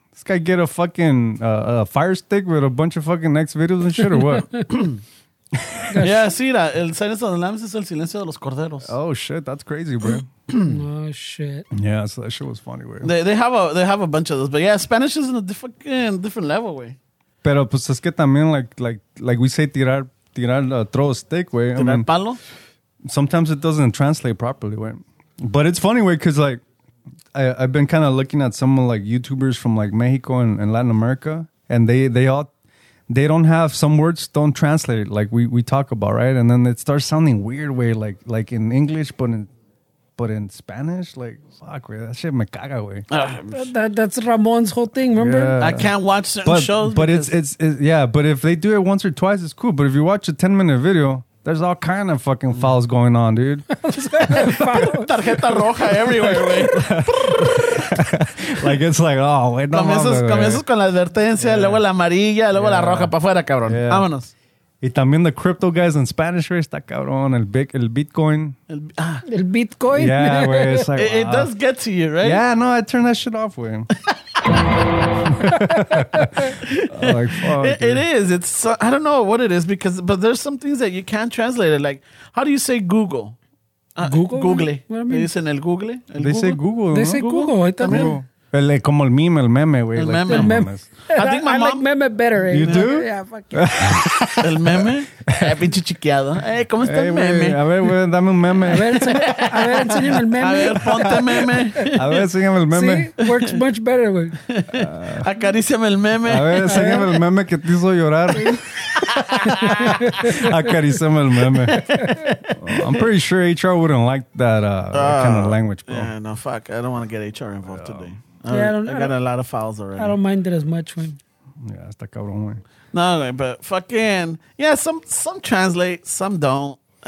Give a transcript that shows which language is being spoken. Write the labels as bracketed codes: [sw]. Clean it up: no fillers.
[en] This guy get a fucking a fire stick with a bunch of fucking next videos and shit, or what? Yeah, see, that [es] el silencio de lambs es el silencio de los corderos. [en] Oh, shit, that's crazy, bro. Oh, shit. Yeah, so that shit was funny, bro. They have a bunch of those. But yeah, Spanish is in a different level, way. [es] Pero pues es que también, [en] like we say, throw a stick, way. [es] Tirar palo? [en] Sometimes it doesn't translate properly, way. But it's funny, way, because, like, I've been kind of looking at some, like, YouTubers from, like, Mexico and Latin America. and they don't have, some words don't translate like we talk about, right? And then it starts sounding weird way, like in English, but in Spanish, like, fuck, man, that shit [es] me caga, [en] way. That's Ramon's whole thing, remember? Yeah. I can't watch certain shows. But but if they do it once or twice, it's cool. But if you watch a 10-minute video, there's all kind of fucking fouls going on, dude. [es] Tarjeta roja [en] everywhere, [es] güey. [en] Like, it's like, oh, wait, [es] no mames, güey. Comienzas con la advertencia, [en] yeah. [es] Luego la amarilla, luego la roja, pa' fuera, cabrón. [en] Yeah. [es] Vámonos. Y también [en] the crypto guys in Spanish, [es] güey, está cabrón. El Bitcoin. El Bitcoin? [en] Yeah, güey. It's like, it does get to you, right? Yeah, no, I turn that shit off, güey. Like, fuck, it is. It's I don't know what it is, but there's some things that you can't translate it. Like, how do you say Google? Google? Google. What do you mean? [es] ¿Dicen el Google? [en] Say Google. They say Google. I tell you. [es] Como el meme, el meme, güey. El meme. [en] Like, meme. I think my mom... I like meme better, eh? You do? Yeah, fuck you. [es] El meme. Pinche chiqueado. ¿Cómo está el meme? A ver, güey, dame un meme. A ver, enséñame el meme. A ver, ponte meme. A ver, enséñame el meme. [en] See? Works much better, güey. [es] Acaríciame el meme. A ver, enséñame el meme que te hizo llorar. Acaríciame el meme. [en] I'm pretty sure HR wouldn't like that kind of language, bro. Yeah, no, fuck. I don't want to get HR involved today. I got a lot of files already. I don't mind it as much, man. Yeah, that's the cabrón, man. No, but fucking, yeah, some translate, some don't.